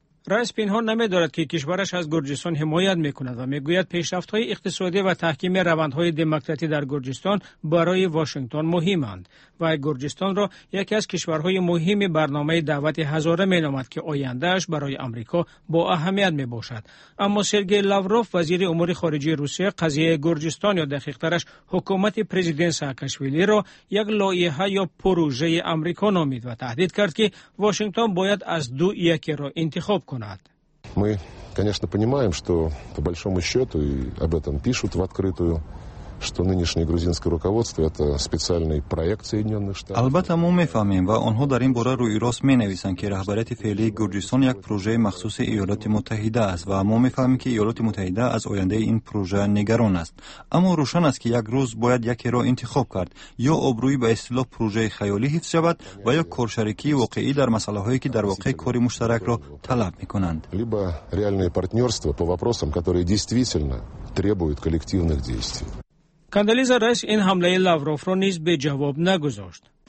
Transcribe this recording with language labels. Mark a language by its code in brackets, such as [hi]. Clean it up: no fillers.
[fa] رئیس پنهان نمی‌دارد که کشورش از گرجستان حمایت می‌کند و می‌گوید پیشرفت‌های اقتصادی و تحکیم روندهای دموکراتیک در گرجستان برای واشنگتن مهمند و گرجستان را یکی از کشورهای مهم برنامه دعوت هزاره می‌نامد که آینده‌اش برای آمریکا با اهمیت می‌باشد. اما سرگئی لاوروف وزیر امور خارجه روسیه قضیه گرجستان یا دقیق‌ترش حکومت پرزیدنت ساکاشویلی را یک لایحه یا پروژه آمریکا نامید و تهدید کرد که واشنگتن باید از دو یکی را انتخاب کند. [ru] Мы, конечно, понимаем, что по большому счету и об этом пишут в открытую, что нынешнее грузинское руководство это специальный проект Соединённых Штатов. [tg] Албатта мы фамим ва онҳо дар ин бора рӯи рост менависанд ки раҳбарияти феълии Гурҷистон як пружаи махсуси Иёлоти Муттаҳида аст ва мо мефаҳмем ки Иёлоти Муттаҳида аз ояндаи ин пружа нигарон аст. Аммо рӯшан аст ки як рӯз бояд якеро интихоб кард, ё обрӯи ба истилоҳ пружаи хаёлӣ ҳифз шавад ва ё коршарикии воқеӣ дар масъалаҳое ки дар воқеъ кори муштаракро талаб мекунанд. [ru] Либо реальное партнёрство по вопросам, которые действительно требуют коллективных действий. [fa] کاندالیزا رئیس این حمله لاوروف را نیز به جواب نگذاشت.